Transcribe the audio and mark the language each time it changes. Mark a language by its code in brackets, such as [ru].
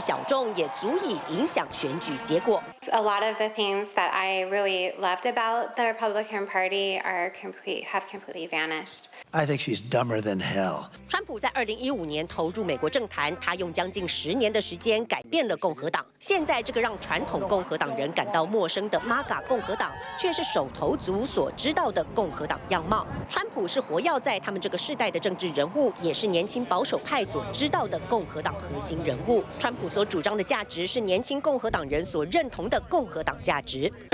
[zh] 4年前，拜登以0.3%，不到10,500张票的差距，成为24年来首位拿下亚利桑那州的民主党总统候选人。即使挺民主党的共和党人只是小众，也足以影响选举结果。 [en] A lot of the things that I really loved about the Republican Party are completely vanished. I think she's dumber than hell. [zh] 川普在2015年投入美国政坛，他用将近10年的时间改变了共和党。现在这个让传统共和党人感到陌生的 MAGA 共和党。却是手头族所知道的共和党样貌。川普是活跃在他们这个世代的政治人物，也是年轻保守派所知道的共和党核心人物。川普所主张的价值是年轻共和党人所认同的共和党价值。